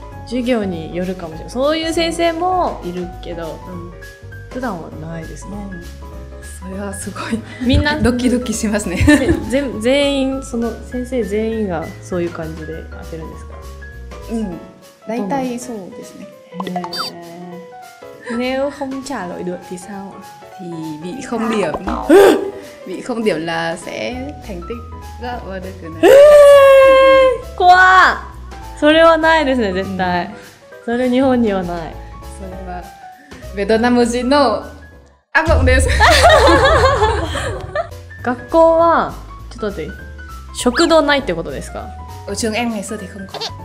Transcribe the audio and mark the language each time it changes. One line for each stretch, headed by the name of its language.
Japanese: 授業によるかもしれない。そういう先生もいるけど、普段はないですね。それはすごい。みんなドキドキしますね。全員、その先生全員がそういう感じで当てるんですか？大体そうですね。へぇー。
Vietnamese: Nếu không trả lời được thì sao? Thì bị không điểm. Bị không điểm là sẽ thành tích rất là được cái này. Quá!
Japanese: それはないですね、絶対。それ日本にはない。それはベトナム人の悪夢です。学校はちょっと待って、食堂ないってことですか？うちの園内そうで空港。